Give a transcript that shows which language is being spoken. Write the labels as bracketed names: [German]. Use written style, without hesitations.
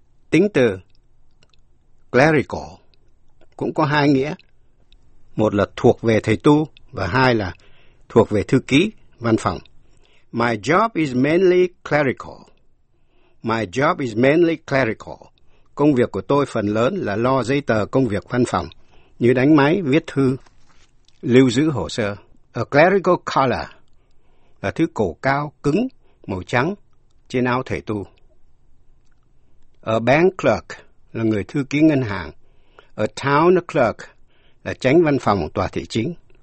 [Vietnamese] Tính từ clerical cũng có hai nghĩa. Một là thuộc về thầy tu, và hai là thuộc về thư ký, văn phòng. [English] My job is mainly clerical. My job is mainly clerical. [Vietnamese] Công việc của tôi phần lớn là lo giấy tờ công việc văn phòng, như đánh máy, viết thư, lưu giữ hồ sơ. A clerical collar là thứ cổ cao, cứng, màu trắng trên áo thầy tu. A bank clerk là người thư ký ngân hàng. A town clerk là chánh văn phòng tòa thị chính.